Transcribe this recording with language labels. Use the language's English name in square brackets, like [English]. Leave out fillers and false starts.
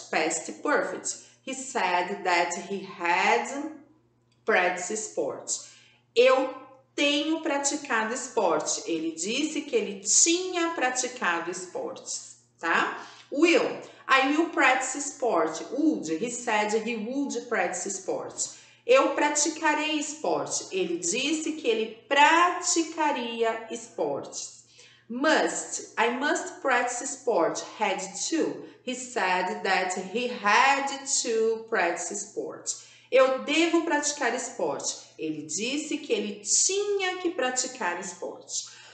[English] Past perfect, he said that he had practiced sport. [Portuguese] Eu tenho praticado esporte. Ele disse que ele tinha praticado esportes, tá? [English] Will, I will practice sport. Would, he said he would practice sport. [Portuguese] Eu praticarei esporte. Ele disse que ele praticaria esportes. [English] Must, I must practice sport. Had to, he said that he had to practice sport. [Portuguese] Eu devo praticar esporte. Ele disse que ele tinha que praticar esporte.